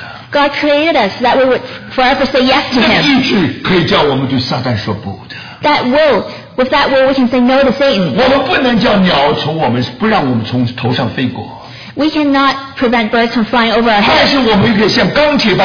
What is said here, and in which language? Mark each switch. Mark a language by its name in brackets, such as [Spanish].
[English] God created us that we would forever say yes to Him. [Chinese] 那个意志可以叫我们对撒旦说不。 [English] That will, with that will, we can say no to Satan. [Chinese] 我们不能叫鸟从我们不让我们从头上飞过。 [English] We cannot prevent birds from flying over our heads.